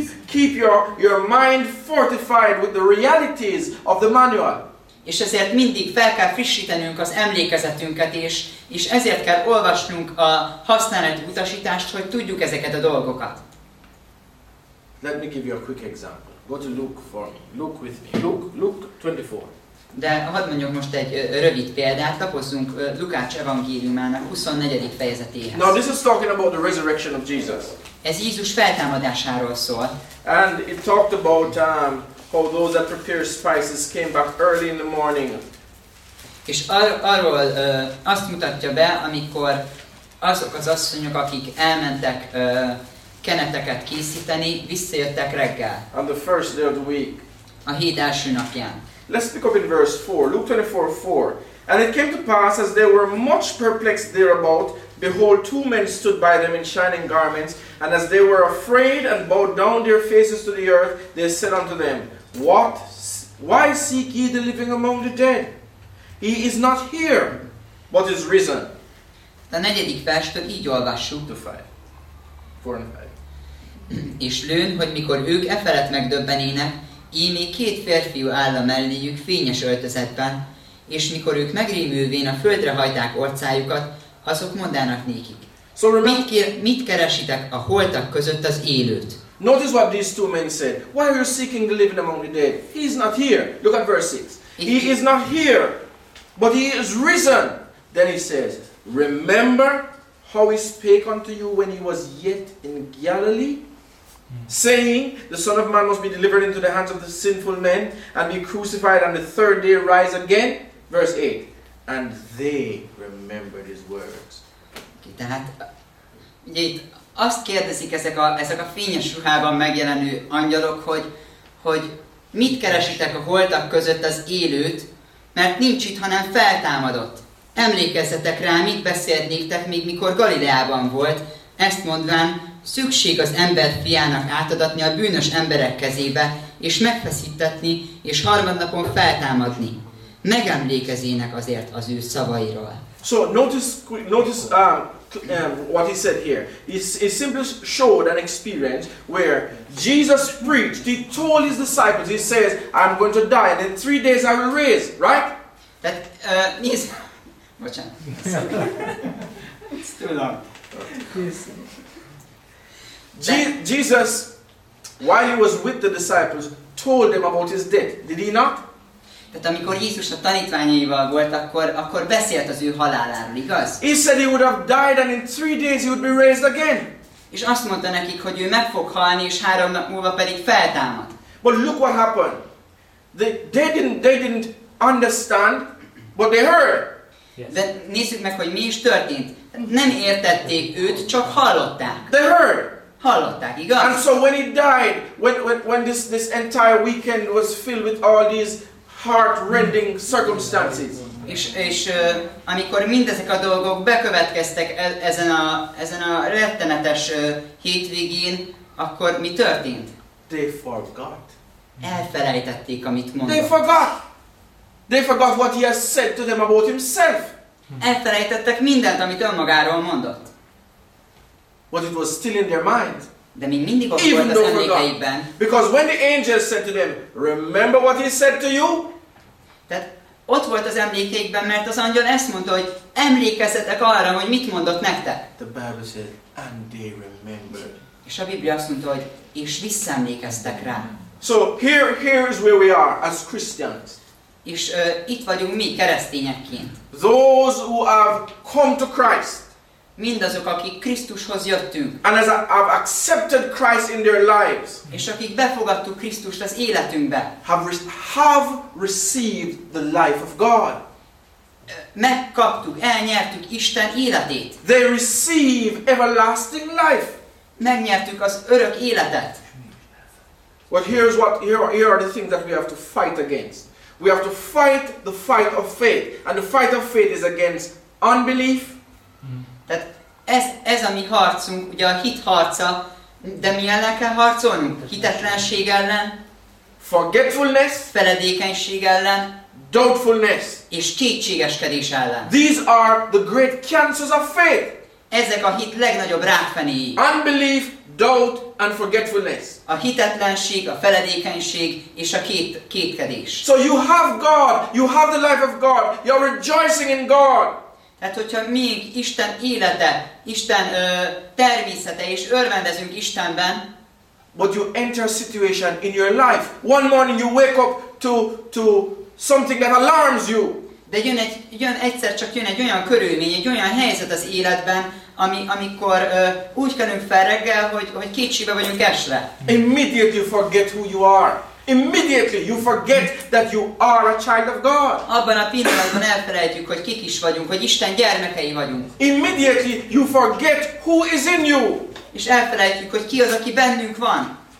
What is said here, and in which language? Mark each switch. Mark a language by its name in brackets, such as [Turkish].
[English] Keep your mind fortified with the realities of the manual. [Hungarian] És ezért mindig fel kell frissítenünk az emlékezetünket is, és ezért kell olvasnunk a használati utasítást, hogy tudjuk ezeket a dolgokat. [English] Let me give you a quick example. Go to Luke for me. Luke with me. Luke 24. [Hungarian] De hadd mondjuk most egy rövid példát, kapozzunk Lukács evangéliumának 24. fejezetéhez. [English] Now this is talking about the resurrection of Jesus. [Hungarian] Ez Jézus feltámadásáról szól. [English] And it talked about how those that prepared spices came back early in the morning. [Hungarian] És arról azt mutatja be, amikor azok az asszonyok, akik elmentek keneteket készíteni, visszajöttek reggel. [English] On the first day of the week. [Hungarian] A hét első napján. [English] Let's pick up in verse 4, Luke 24:4. And it came to pass, as they were much perplexed thereabout, behold, two men stood by them in shining garments, and as they were afraid and bowed down their faces to the earth, they said unto them, What? Why seek ye the living among the dead? He is not here, but is risen. [Hungarian] A negyedik verstől így olvassuk. [English] To 5. [Hungarian] És lőn, hogy mikor ők e felett megdöbbenének, ímé két férfiú áll a melléjük fényes öltözetben, és mikor ők megrémülvén a földre hajták orcájukat, azok mondának nékik, [English] so [Hungarian] mit keresitek a holtak között az élőt? [English] Notice what these two men said. Why are you seeking the living among the dead? He is not here. Look at verse 6. He is not here, but he is risen. Then he says, remember how he spake unto you when he was yet in Galilee, saying, the Son of Man must be delivered into the hands of the sinful men, and be crucified, and the third day rise again. Verse 8. And they remembered his words. [Hungarian] Okay, tehát, ugye itt azt kérdezik ezek a fényes ruhában megjelenő angyalok, hogy mit keresitek a holtak között az élőt, mert nincs itt, hanem feltámadott. Emlékezzetek rá, mit beszélt néktek még, mikor Galileában volt, ezt mondván, szükség az ember fiának átadatni a bűnös emberek kezébe, és megfeszítetni, és harmadnapon feltámadni. Megemlékezének azért az ő szavairól. [English] So, notice what he said here. He simply showed an experience where Jesus preached, he told his disciples, he says, I'm going to die, and in 3 days I will raise, right? That means... It's too long. Jesus, while he was with the disciples, told them about his death. Did he not? [Hungarian] Tehát amikor Jézus a tanítványaival volt, akkor beszélt az ő haláláról, igaz? [English] He said he would have died and in 3 days he would be raised again. [Hungarian] És azt mondta nekik, hogy ő meg fog halni, és 3 nap múlva pedig feltámad. [English] But look what happened. They didn't understand, but they heard. [Hungarian] De nézzük meg, hogy mi is történt. Nem értették őt, csak hallották. [English] They heard. [Hungarian] Hallották, igaz? [English] And so when he died, when this entire weekend was filled with all these heart-rending circumstances. [Hungarian] És amikor mindezek a dolgok bekövetkeztek ezen a rettenetes hétvégén, akkor mi történt? [English] They forgot. [Hungarian] Elfelejtették, amit mondott. [English] They forgot. They forgot what he has said to them about himself. [Hungarian] Elfelejtettek mindent, amit önmagáról mondott. [English] But it was still in their mind. [Hungarian] De még mindig ott volt az emlékeikben. [English] Because when the angel said to them, remember what he said to you? [Hungarian] Tehát ott volt az emlékeikben, mert az angyal ezt mondta, hogy emlékezzetek arra, hogy mit mondott nektek. [English] The Bible said, and they remembered. [Hungarian] És a Biblia azt mondta, hogy és visszaemlékeztek rá. [English] So here is where we are as Christians. [Hungarian] És itt vagyunk mi keresztényekként. [English] Those who have come to Christ. [Hungarian] Mindazok, akik Krisztushoz jöttünk. [English] And as have accepted Christ in their lives. [Hungarian] És akik befogadtuk Krisztust az életünkbe. [English] Have received the life of God. [Hungarian] Megkaptuk, elnyertük Isten életét. [English] They receive everlasting life. [Hungarian] Megnyertük az örök életet. [English] But here are the things that we have to fight against. We have to fight the fight of faith, and the fight of faith is against unbelief. [Hungarian] Tehát ez a mi harcunk, ugye a hit harca, de mi ellen kell harcolnunk? Hitetlenség ellen. [English] Forgetfulness. [Hungarian] Feledékenység ellen. [English] Doubtfulness. [Hungarian] És kétségeskedés ellen. [English] These are the great cancers of faith. [Hungarian] Ezek a hit legnagyobb rákfenéi. [English] Unbelief, doubt, and forgetfulness. [Hungarian] A hitetlenség, a feledékenység és a kétkedés. [English] So you have God, you have the life of God, you are rejoicing in God. [Hungarian] Tehát hogyha mi Isten élete, Isten természete és örvendezünk Istenben. [English] But you enter a situation in your life. One morning you wake up to something that alarms you. [Hungarian] De jön egy olyan körülmény, egy olyan helyzet az életben, amikor úgy kelünk fel reggel, hogy kétségbe vagyunk esve. [English] Immediately you forget who you are. Immediately you forget that you are a child of God. [Hungarian] Abban a pillanatban elfelejtjük, hogy kik is vagyunk, hogy Isten gyermekei vagyunk. [English] Immediately you forget who is in you. [Hungarian] És elfelejtjük, hogy ki az, aki bennünk van.